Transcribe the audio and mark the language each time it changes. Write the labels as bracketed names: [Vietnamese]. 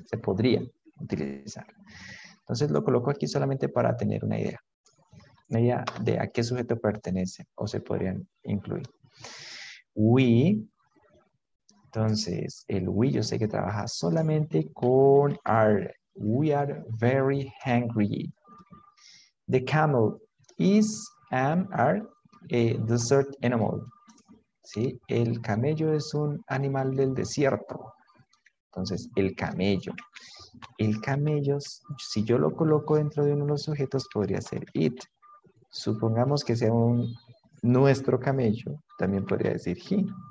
[Spanish] Se podría utilizar. Entonces lo coloco aquí solamente para tener una idea. Una idea de a qué sujeto pertenece o se podrían incluir. We. Entonces, el we yo sé que trabaja solamente con are. [English] We are very hungry. The camel is a desert animal. [Spanish] ¿Sí? El camello es un animal del desierto. Entonces, el camello. El camello, si yo lo coloco dentro de uno de los sujetos, podría ser it. Supongamos que sea un nuestro camello, también podría decir he.